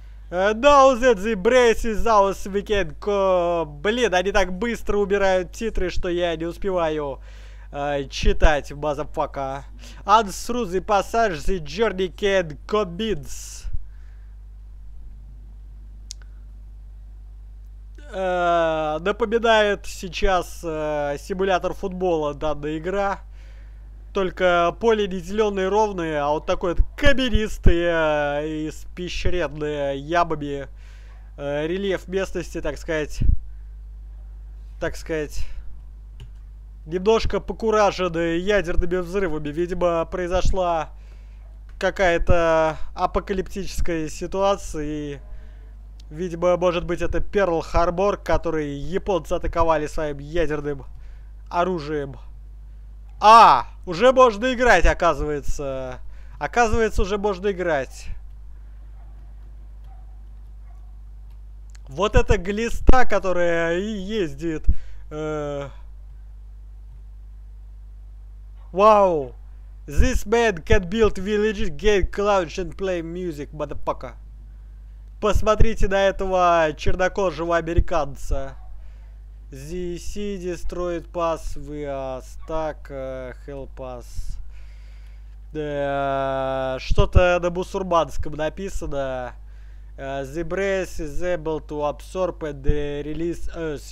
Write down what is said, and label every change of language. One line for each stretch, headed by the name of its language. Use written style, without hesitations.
English: Now that the breath is out, we can go...
Russian: Блин, они так быстро убирают титры, что я не успеваю читать, мазафака.
English: And through the passage, the journey can commence.
Russian: Напоминает сейчас симулятор футбола данная игра. Только поле не зеленое и ровное, а вот такое вот каменистое, испещренное ямами. Рельеф местности, так сказать, немножко покураженный ядерными взрывами. Видимо, произошла какая-то апокалиптическая ситуация. И, видимо, может быть, это Pearl Harbor, который японцы атаковали своим ядерным оружием. А, уже можно играть, оказывается. Оказывается, уже можно играть. Вот эта глиста, которая и ездит. Вау.
English: This man can build villages, get clowns and play music, motherfucker.
Russian: Посмотрите на этого чернокожего американца.
English: ZC destroyed pass, we are stuck, help us.
Russian: Что-то на бусурманском написано.
English: The breath is able to absorb and release us.